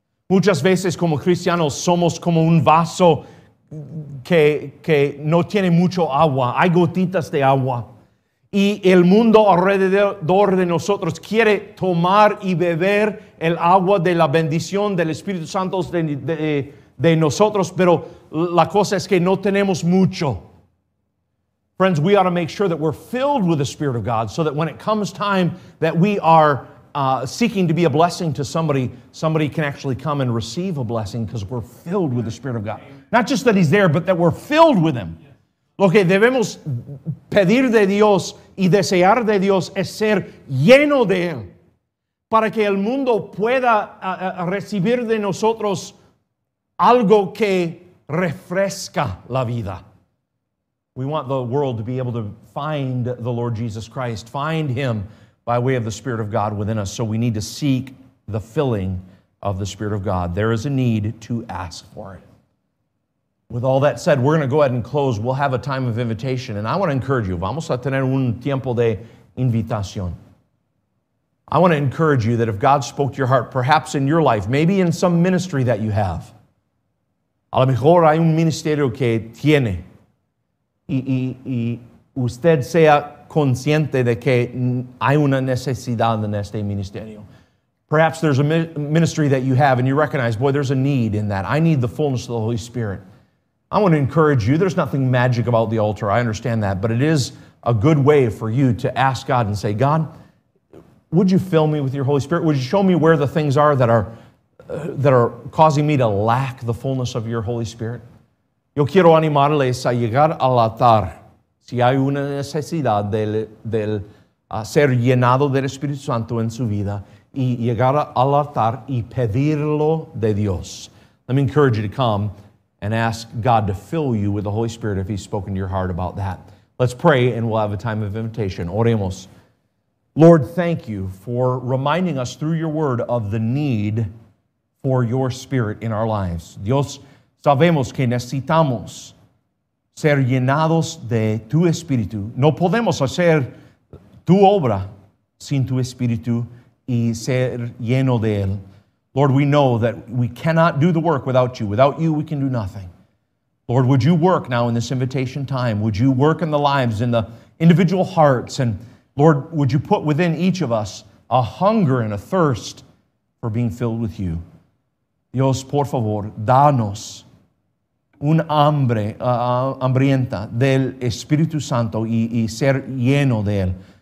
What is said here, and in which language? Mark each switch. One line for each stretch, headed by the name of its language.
Spanish: Muchas veces como cristianos somos como un vaso que no tiene mucho agua. Hay gotitas de agua. Y el mundo alrededor de nosotros quiere tomar y beber el agua de la bendición del Espíritu Santo de nosotros, pero la cosa es que no tenemos mucho.
English: Friends, we ought to make sure that we're filled with the Spirit of God so that when it comes time that we are seeking to be a blessing to somebody, somebody can actually come and receive a blessing because we're filled with the Spirit of God. Not just that he's there, but that we're filled with him.
Spanish: Lo que debemos pedir de Dios y desear de Dios es ser lleno de él para que el mundo pueda recibir de nosotros algo que refresca la vida.
English: We want the world to be able to find the Lord Jesus Christ, find him by way of the Spirit of God within us. So we need to seek the filling of the Spirit of God. There is a need to ask for it. With all that said, we're going to go ahead and close. We'll have a time of invitation. And I want to encourage you.
Spanish: Vamos a tener un tiempo de invitación.
English: I want to encourage you that if God spoke to your heart, perhaps in your life, maybe in some ministry that you have,
Spanish: a lo mejor hay un ministerio que tiene y usted sea consciente de que hay una necesidad en este ministerio.
English: Perhaps there's a ministry that you have and you recognize, boy, there's a need in that. I need the fullness of the Holy Spirit. I want to encourage you. There's nothing magic about the altar. I understand that. But it is a good way for you to ask God and say, God, would you fill me with your Holy Spirit? Would you show me where the things are that are causing me to lack the fullness of your Holy Spirit?
Spanish: Yo quiero animarles a llegar al altar. Si hay una necesidad del ser llenado del Espíritu Santo en su vida y llegar al altar y pedirlo de Dios.
English: Let me encourage you to come and ask God to fill you with the Holy Spirit if he's spoken to your heart about that. Let's pray and we'll have a time of invitation.
Spanish: Oremos.
English: Lord, thank you for reminding us through your word of the need for your Spirit in our lives.
Spanish: Dios, sabemos que necesitamos ser llenados de tu Espíritu. No podemos hacer tu obra sin tu Espíritu y ser lleno de él.
English: Lord, we know that we cannot do the work without you. Without you, we can do nothing. Lord, would you work now in this invitation time? Would you work in the lives, in the individual hearts? And Lord, would you put within each of us a hunger and a thirst for being filled with you?
Spanish: Dios, por favor, danos un hambre, hambrienta del Espíritu Santo y ser lleno de él.